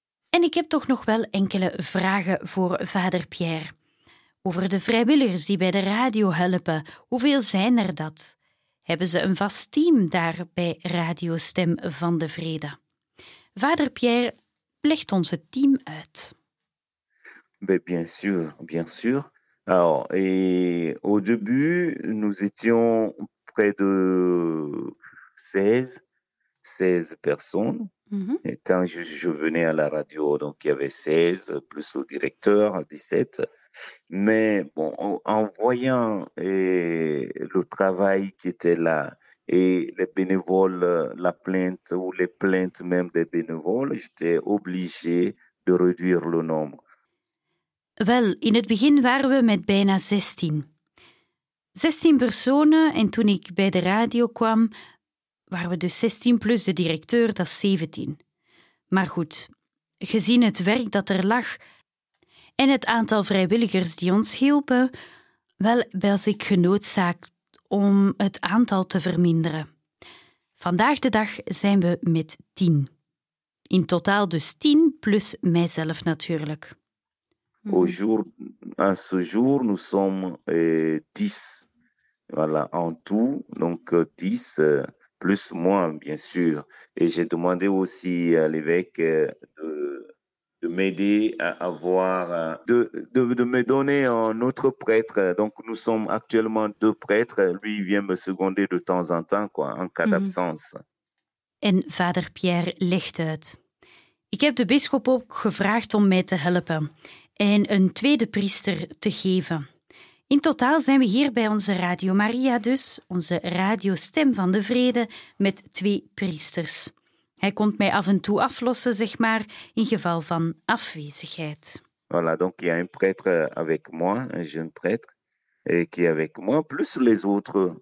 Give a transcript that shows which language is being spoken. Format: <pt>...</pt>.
<nl>En ik heb toch nog wel enkele vragen voor vader Pierre. Over de vrijwilligers die bij de radio helpen, hoeveel zijn er dat? Hebben ze een vast team daar bij Radio Stem van de Vrede? Vader Pierre, legt ons het team uit.</nl> <fr>Bien sûr, bien sûr. Alors, et au début, nous étions près de 16 personnes. Mm-hmm. Et quand je venais à la radio, donc il y avait 16, plus le directeur, 17. Mais bon, en voyant le travail qui était là et les bénévoles, la plainte ou les plaintes même des bénévoles, j'étais obligé de réduire le nombre.</fr> <nl>Wel, in het begin waren we met bijna 16. 16 personen en toen ik bij de radio kwam, waren we dus 16 plus de directeur, dat is 17. Maar goed, gezien het werk dat er lag en het aantal vrijwilligers die ons hielpen, wel was ik genoodzaakt om het aantal te verminderen. Vandaag de dag zijn we met 10. In totaal dus 10 plus mijzelf natuurlijk.</nl> <fr>À ce jour, nous sommes 10, voilà, en tout, donc 10 plus moi, bien sûr. Et j'ai demandé aussi à l'évêque de m'aider à avoir, de me donner un autre prêtre. Donc nous sommes actuellement 2 prêtres, lui il vient me seconder de temps en temps, quoi, en cas d'absence.</fr> <nl>En vader Pierre legt uit. Ik heb de bisschop ook gevraagd om mij te helpen en een tweede priester te geven. In totaal zijn we hier bij onze Radio Maria dus, onze Radio Stem van de Vrede, met 2 priesters. Hij komt mij af en toe aflossen, zeg maar, in geval van afwezigheid.</nl> <fr>Voilà, donc il y a un prêtre avec moi, un jeune prêtre, et qui est avec moi, plus les autres.</fr>